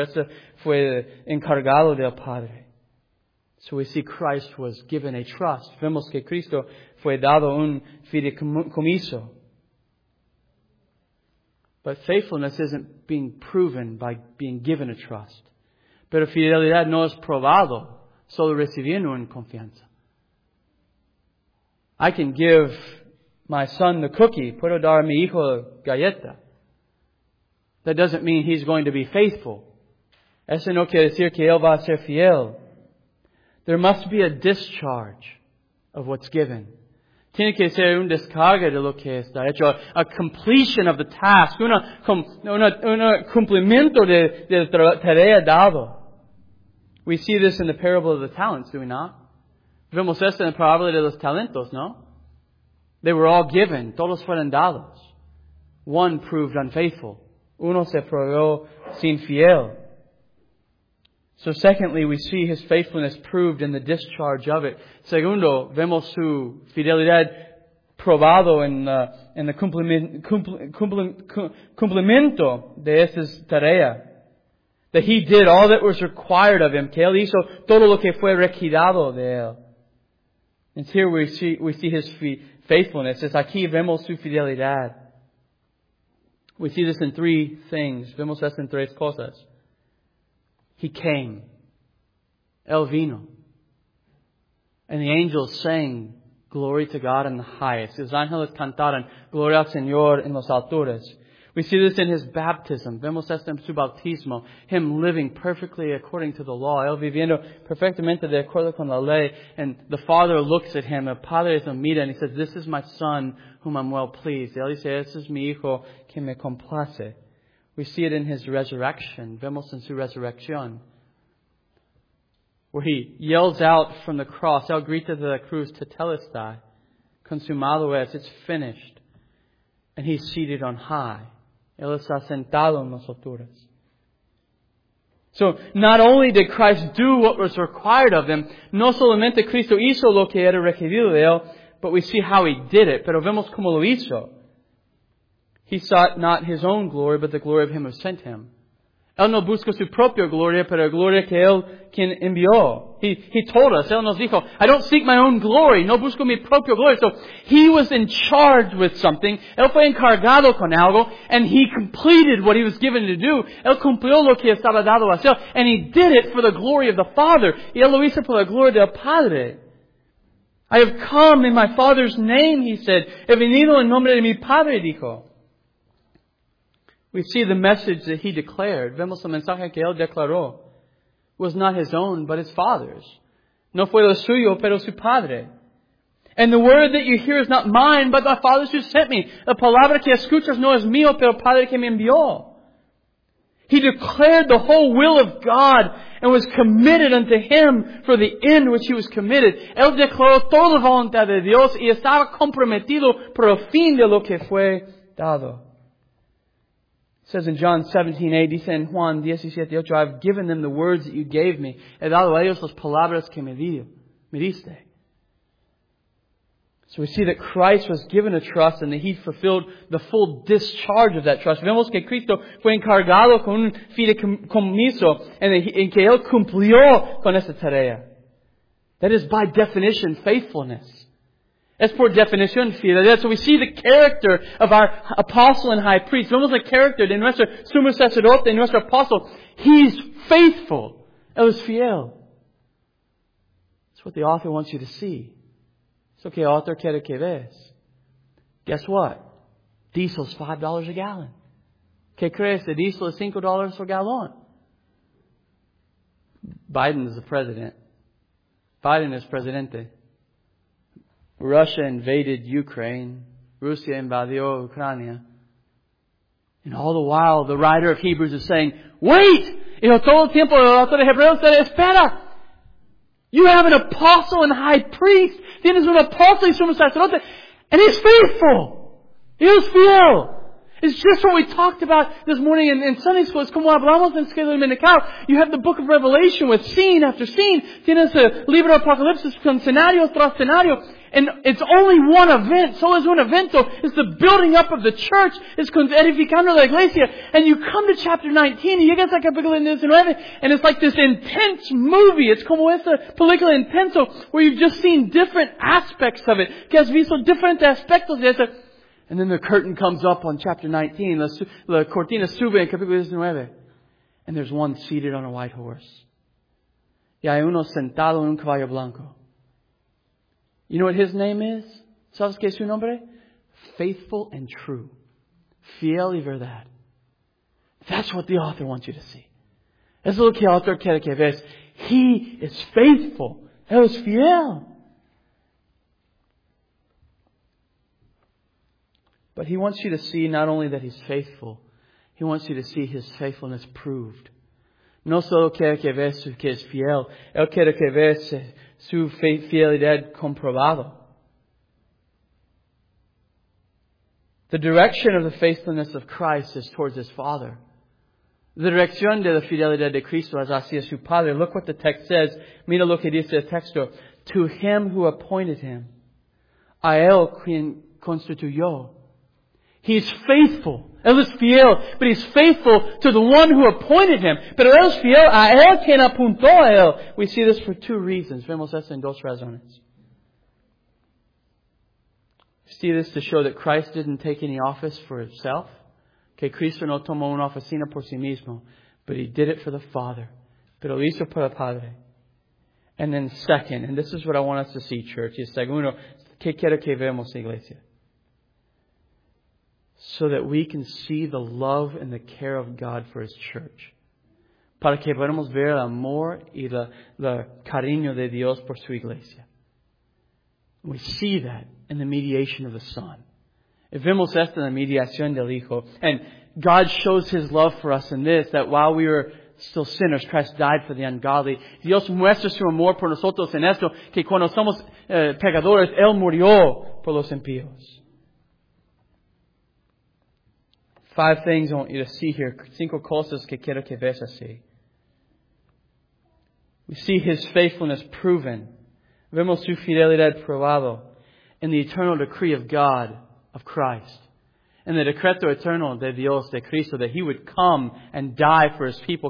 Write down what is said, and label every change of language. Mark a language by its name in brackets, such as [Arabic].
[Spanish] Este fue encargado del Padre. [English] So we see Christ was given a trust. [Spanish] Vemos que Cristo fue dado un fideicomiso. [English] But faithfulness isn't being proven by being given a trust. [Spanish] Pero fidelidad no es probado, solo recibiendo una confianza. [English] I can give my son the cookie. [Spanish] Puedo dar a mi hijo la galleta. [English] That doesn't mean he's going to be faithful. [Spanish] Eso no quiere decir que él va a ser fiel. [English] There must be a discharge of what's given. [Spanish] Tiene que ser un descarga de lo que está hecho. [English] A completion of the task. [Spanish] Un cumplimiento de la tarea dado. [English] We see this in the parable of the talents, do we not? [Spanish] Vemos esto en la parábola de los talentos, ¿no? [English] They were all given. [Spanish] Todos fueron dados. [English] One proved unfaithful. [Spanish] Uno se probó sin fiel. [English] So secondly, we see his faithfulness proved in the discharge of it. [Spanish] Segundo, vemos su fidelidad probado en el cumplimiento de esta tarea. [English] That he did all that was required of him. [Spanish] Que él hizo todo lo que fue requerido de él. [English] And here we see his faithfulness. [Spanish] Es aquí vemos su fidelidad. [English] We see this in three things. [Spanish] Vemos esto en tres cosas. [English] He came. [Spanish] El vino. [English] And the angels sang, glory to God in the highest. [Spanish] Los ángeles cantaron, gloria al Señor en las alturas. [English] We see this in his baptism. [Spanish] Vemos esto en su bautismo. [English] Him living perfectly according to the law. [Spanish] Él viviendo perfectamente de acuerdo con la ley. [English] And the Father looks at him. [Spanish] El Padre lo mira. [English] And he says, this is my Son whom I'm well pleased. [Spanish] Él dice, este es mi Hijo que me complace. [English] We see it in his resurrection. [Spanish] Vemos en su resurrección. [English] Where he yells out from the cross. [Spanish] Él grita de la cruz, tetelestai. Consumado es. [English] It's finished. And he's seated on high. [Spanish] Él está sentado en las alturas. [English] So, not only did Christ do what was required of him, [Spanish] no solamente Cristo hizo lo que era requerido de él, [English] but we see how he did it. [Spanish] Pero vemos cómo lo hizo. [English] He sought not his own glory, but the glory of him who sent him. [Spanish] Él no busca su propia gloria, pero la gloria que él quien envió. [English] He told us, [Spanish] él nos dijo, [English] I don't seek my own glory, [Spanish] no busco mi propia gloria. [English] So, he was in charge with something, [Spanish] él fue encargado con algo, [English] and he completed what he was given to do. [Spanish] Él cumplió lo que estaba dado a hacer, [English] and he did it for the glory of the Father. [Spanish] Y él lo hizo por la gloria del Padre. [English] I have come in my Father's name, he said. [Spanish] He venido en nombre de mi Padre, dijo. [English] We see the message that he declared. [Spanish] Vemos el mensaje que él declaró. [English] Was not his own, but his Father's. [Spanish] No fue lo suyo, pero su Padre. [English] And the word that you hear is not mine, but the Father's who sent me. [Spanish] La palabra que escuchas no es mío, pero el Padre que me envió. [English] He declared the whole will of God and was committed unto him for the end which he was committed. [Spanish] Él declaró toda la voluntad de Dios y estaba comprometido por el fin de lo que fue dado. [English] It says in John 17:8, [Spanish] dice en Juan 17:8, [English] I've given them the words that you gave me. [Spanish] He dado a ellos las palabras que me diste. [English] So we see that Christ was given a trust and that he fulfilled the full discharge of that trust. [Spanish] Vemos que Cristo fue encargado con un fideicomiso en que él cumplió con esa tarea. [English] That is by definition faithfulness. [Spanish] Es por definición fidelidad. [English] So we see the character of our apostle and high priest. [Spanish] Vemos el carácter de nuestro sumo sacerdote, de nuestro apostle. [English] He's faithful. [Spanish] Él es fiel. [English] That's what the author wants you to see. [Spanish] Es lo que el autor quiere que veas. [English] Guess what? Diesel's $5 a gallon. [Spanish] ¿Qué crees? El diesel es $5 a gallon. [English] Biden is the president. Biden is presidente. Russia invaded Ukraine. [Spanish] Rusia invadió Ucrania. [English] And all the while, the writer of Hebrews is saying, wait! [Spanish] Y todo el tiempo, el autor de Hebreos dice, espera! [English] You have an apostle and high priest. [Spanish] Tienes un apóstol y sumo sacerdote. [English] And he's faithful. He's fiel. It's just what we talked about this morning in Sunday school. [Spanish] Es como hablamos en Escuela Dominical. [English] You have the book of Revelation with scene after scene. [Spanish] Tienes el libro Apocalipsis con escenario tras escenario. [English] And it's only one event. [Spanish] Solo es un evento. [English] It's the building up of the church. It's [Spanish] edificando la iglesia. [English] And you come to chapter 19 [Spanish] y llegas al capítulo 19 [English] and it's like this intense movie. It's [Spanish] como esta película intenso [English] where you've just seen different aspects of it. [Spanish] Que has visto diferentes aspectos de eso. [English] And then the curtain comes up on chapter 19. [Spanish] La cortina sube en capítulo 19. [English] And there's one seated on a white horse. [Spanish] Y hay uno sentado en un caballo blanco. [English] You know what his name is? [Spanish] ¿Sabes qué es su nombre? [English] Faithful and true. [Spanish] Fiel y verdad. [English] That's what the author wants you to see. [Spanish] Eso es lo que el autor quiere que veas. [English] He is faithful. [Spanish] Él es fiel. [English] But he wants you to see not only that he's faithful, he wants you to see his faithfulness proved. [Spanish] No solo quiere que veas que es fiel. Él quiere que veas su fidelidad comprobado. [English] The direction of the faithfulness of Christ is towards his Father. [Spanish] The direction de la fidelidad de Cristo es hacia su Padre. [English] Look what the text says. [Spanish] Mira lo que dice el texto. [English] To him who appointed him, [Spanish] a él quien constituyó. [English] He's faithful. [Spanish] Él es fiel, [English] but he's faithful to the one who appointed him. [Spanish] Pero él es fiel a él quien apuntó a él. [English] We see this for two reasons. [Spanish] Vemos esto en dos razones. [English] We see this to show that Christ didn't take any office for himself. [Spanish] Que Cristo no tomó una oficina por sí mismo. [English] But he did it for the Father. [Spanish] Pero lo hizo por el Padre. [English] And then second, and this is what I want us to see, church. [Spanish] Y segundo, ¿qué quiero que vemos, iglesia? [English] So that we can see the love and the care of God for His church. [Spanish] Para que podamos ver el amor y el cariño de Dios por su iglesia. [English] We see that in the mediation of the Son. [Spanish] Vemos esto en la mediación del Hijo. [English] And God shows His love for us in this, that while we were still sinners, Christ died for the ungodly. [Spanish] Dios muestra su amor por nosotros en esto, que cuando somos pecadores, Él murió por los impíos. [English] Five things I want you to see here. [Spanish] Cinco cosas que quiero que veas así. [English] We see His faithfulness proven. [Spanish] Vemos su fidelidad probado. [English] In the eternal decree of God, of Christ. In the [Spanish] decreto eterno de Dios, de Cristo, [English] that He would come and die for His people.